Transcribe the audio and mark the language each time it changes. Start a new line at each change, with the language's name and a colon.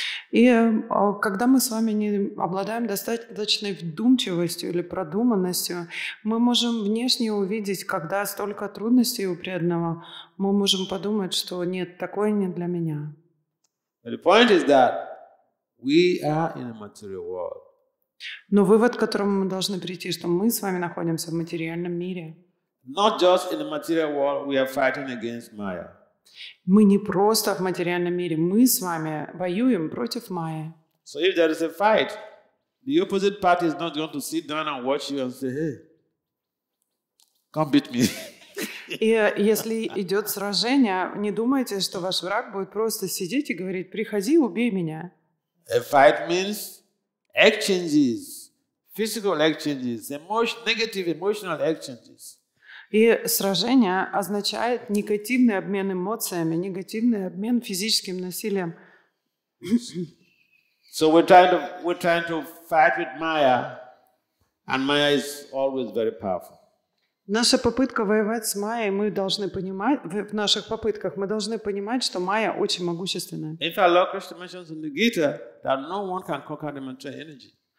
Russian: И когда мы с вами не обладаем достаточно вдумчивостью или продуманностью, мы можем внешне увидеть, когда столько трудностей у преданного, мы можем подумать, что нет, такое не для меня.
English: But the point is that we are in a material world.
Russian: Но вывод, к которому мы должны прийти, что мы с вами находимся в материальном мире.
English: Not just in the material world, we are fighting against Maya.
Russian: Мы не просто в материальном мире, мы с вами воюем против Майи.
English: So if there is a fight, the opposite party is not going to sit down and watch you and say, hey, come beat me.
Russian: И если идет сражение, не думайте, что ваш враг будет просто сидеть и говорить, приходи, убей меня.
English: A fight means exchanges, physical exchanges, negative emotional exchanges.
Russian: И сражение означает негативный обмен эмоциями, негативный обмен физическим насилием.
English: So we're trying to fight with Maya, and Maya is always very powerful.
Russian: Наша попытка воевать с Майей, мы должны понимать, в наших попытках мы должны понимать, что Майя очень могущественная.
English: In fact, Lord Krishna mentions in the Gita that no one can conquer the material energy.